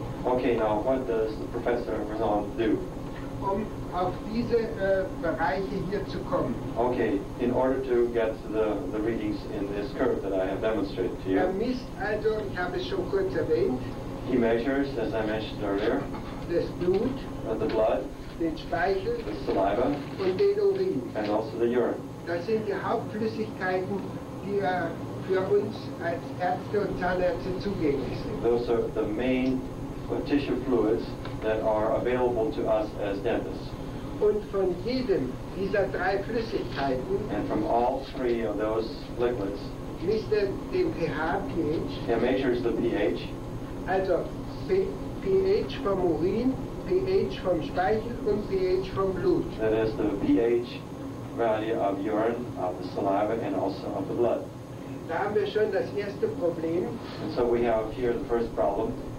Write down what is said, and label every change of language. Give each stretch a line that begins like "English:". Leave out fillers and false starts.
English: Okay, now what does the Professor Vincent do?
German: Um auf diese Bereiche hier zu kommen.
English: Okay, in order to get the readings in this curve that I have demonstrated to you.
German: Er misst also, ich habe es schon kurz erwähnt.
English: He measures, as I mentioned earlier,
German: das Blut,
English: the blood,
German: den Speichel,
English: the saliva,
German: und den Urin.
English: And also the urine.
German: Das sind die Hauptflüssigkeiten, die für uns als Ärzte und Zahnärzte zugänglich sind.
English: Those are the main tissue fluids that are available to us as dentists.
German: Und von jedem dieser drei Flüssigkeiten,
English: and from all three of those liquids,
German: misst er den pH.
English: It measures the pH.
German: Also pH vom Urin, pH vom Speichel und pH vom Blut.
English: That is the pH value of urine, of the saliva, and also of the blood.
German: Da haben wir schon das erste Problem.
English: And so we have here the first problem.